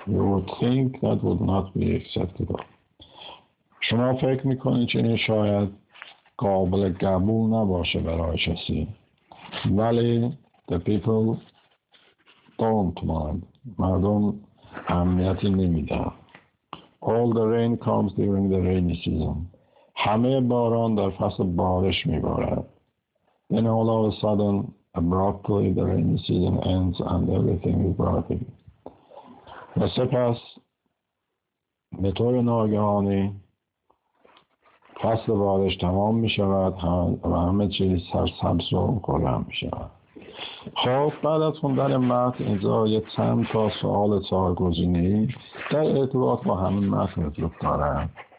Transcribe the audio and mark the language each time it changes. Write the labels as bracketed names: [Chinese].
[English] You would think that would not be acceptable. [Persian] شما فکر میکنید که این شاید قابل قبول نباشه برای کسی. [English] ولی the people don't mind. [Persian] مردم اهمیتی نمیدن. [English] All the rain comes during the rainy season. [Persian] همه باران در فصل بارش میبارد. [English] Then all of a sudden, abruptly, the rainy season ends and everything is bright again. [Persian] و سپس به طور ناگهانی فصل بارش تمام میشود و همه چیز سرسبز و گلم میشود. خب بعد از خوندن متن اینجا یه چند تا سوال چهارگزینه‌ای در ارتباط با همین متن وجود دارد.